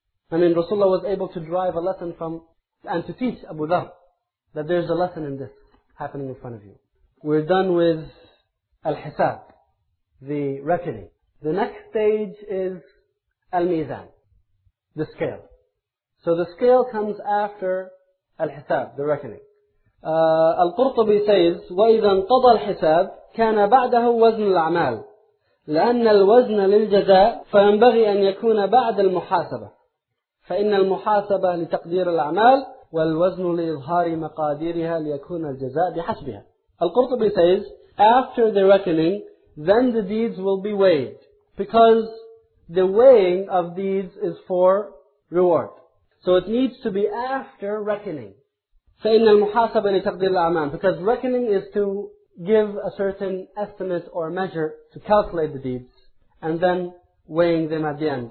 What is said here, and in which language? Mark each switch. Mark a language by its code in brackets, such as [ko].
[en] I mean, Rasulullah was able to derive a lesson from, and to teach Abu Dhar, that there's a lesson in this happening in front of you. We're done with Al-Hisab, the reckoning. The next stage is Al-Mizan, the scale. So the scale comes after Al-Hisab, the reckoning. Al-Qurtubi says, [ar] وَإِذَا انْقَضَى الْحِسَابِ كَانَ بَعْدَهُ وَزْنُ الْأَعْمَالِ لأن الوزن للجزاء فينبغي أن يكون بعد المحاسبة فإن المحاسبة لتقدير الأعمال والوزن لإظهار مقاديرها ليكون الجزاء بحسبها. [en] القرطبي says, after the reckoning, then the deeds will be weighed because the weighing of deeds is for reward. So it needs to be after reckoning. [ar] فإن المحاسبة لتقدير الأعمال, [en] because reckoning is to give a certain estimate or measure to calculate the deeds and then weighing them at the end.